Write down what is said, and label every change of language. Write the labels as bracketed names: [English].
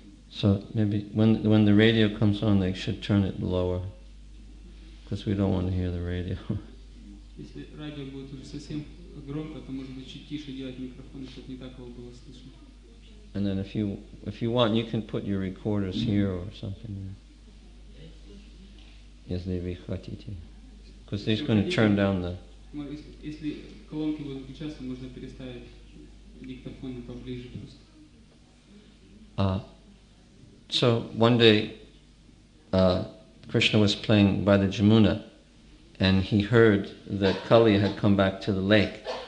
[English] So maybe when the radio comes on, they should turn it lower, because we don't want to hear the radio. [Russian] Если радио будет уже совсем громко, то может быть чуть тише делать микрофон, чтобы не так его было слышно. [English] And then if you want, you can put your recorders here or something. [Russian] Если вы хотите, [English] because they're going to turn down the. [Russian] Если колонки будут включаться, можно переставить диктофоны поближе просто. [English] So one day Krishna was playing by the Jamuna and he heard that Kali had come back to the lake.